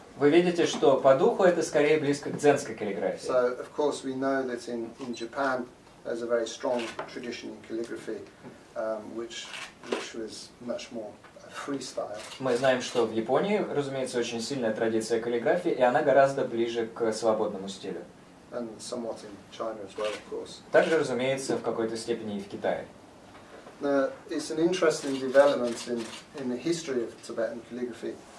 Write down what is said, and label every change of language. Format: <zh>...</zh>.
<ru>Вы видите, что по духу это скорее близко к дзенской каллиграфии.</ru> <en>So of course we know that in Japan there's a very strong tradition in calligraphy, which was much more freestyle.</en> <ru>Мы знаем, что в Японии, разумеется, очень сильная традиция каллиграфии, и она гораздо ближе к свободному стилю.</ru> <en>And somewhat in China as well, of course.</en> <ru>Также, разумеется, в какой-то степени и в Китае.</ru> <en>It's an interesting development in the history of Tibetan calligraphy.</en>